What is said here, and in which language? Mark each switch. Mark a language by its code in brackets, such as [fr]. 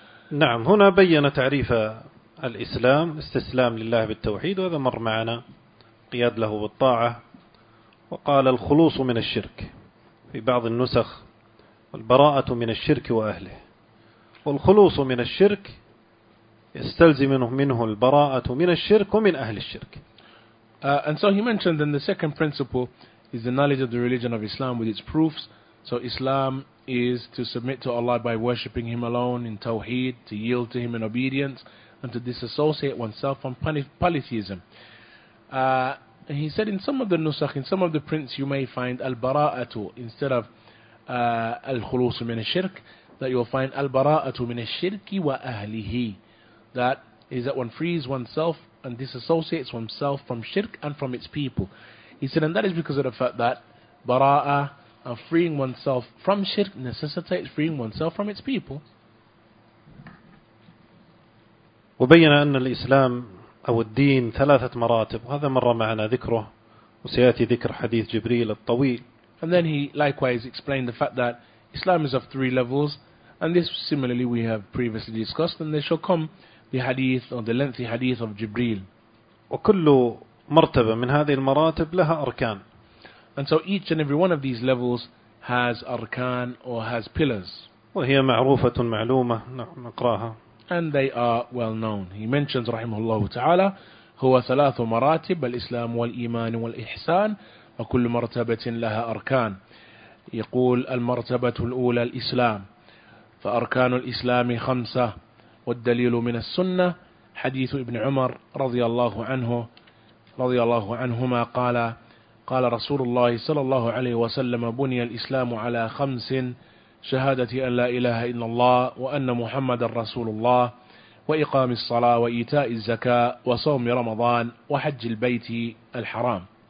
[ar] نعم هنا بين تعريف الإسلام استسلام لله بالتوحيد وهذا مر معنا قياد له بالطاعة وقال الخلوص من الشرك في بعض النسخ والبراءة من الشرك وأهله والخلوص من الشرك يستلزم منه البراءة من الشرك ومن أهل الشرك. [en] And so he mentioned that the second principle is the knowledge of the religion of Islam with its proofs. So Islam is to submit to Allah by worshipping Him alone in Tawheed, to yield to Him in obedience, and to disassociate oneself from polytheism. And he said in some of the nusakh, in some of the prints, you may find al-bara'atu instead of al-khulusu min al-shirk, that you'll find [ar] al-bara'atu min al-shirki wa ahlihi. [en] That is that one frees oneself and disassociates oneself from shirk and from its people. He said, and that is because of the fact that bara'a, and freeing oneself from shirk necessitates freeing oneself from its people. [ar] وبين أن الإسلام أو الدين ثلاثة مراتب وهذا مر معنا ذكره وسيأتي ذكر حديث جبريل الطويل. [en] And then he likewise explained the fact that Islam is of three levels And this similarly we have previously discussed, and they shall come the hadith or the lengthy hadith of Jibreel. [ar] وكل مرتبة من هذه المراتب لها أركان. [en] And so each and every one of these levels has arkan or has pillars. [ar] وهي معروفة معلومة نقراها. [en] And they are well known. He mentions [ar] رحمه الله تعالى هو ثلاث مراتب الإسلام والإيمان والإحسان وكل مرتبة لها أركان. يقول المرتبة الأولى الإسلام. فأركان الإسلام خمسة والدليل من السنة حديث ابن عمر رضي الله عنه رضي الله عنهما قال قال رسول الله صلى الله عليه وسلم بني الإسلام على خمس شهادة أن لا إله إلا الله وأن محمد رسول الله وإقام الصلاة وإيتاء الزكاة وصوم رمضان وحج البيت الحرام